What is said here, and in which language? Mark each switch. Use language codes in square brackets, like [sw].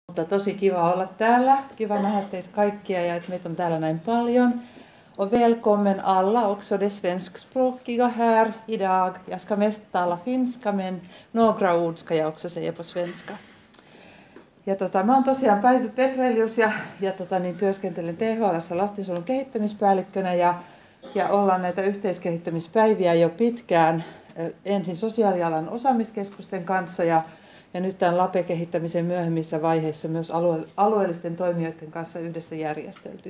[fi] Mutta tosi kiva olla täällä. Kiva nähdä teitä kaikkia ja että meitä on täällä näin paljon. [sv] Och välkommen alla också de svenskspråkiga här idag. Jag ska mest tala finska, men några ord ska jag också säga på svenska. [fi] Ja mä oon tosiaan Päivi Petrelius ja työskentelen THL:ssä lastensuojelun kehittämispäällikkönä ja ollaan näitä yhteiskehittämispäiviä jo pitkään. Ensin sosiaalialan osaamiskeskusten kanssa ja nyt tämän LAPE-kehittämisen myöhemmissä vaiheissa myös alueellisten toimijoiden kanssa yhdessä järjestelty.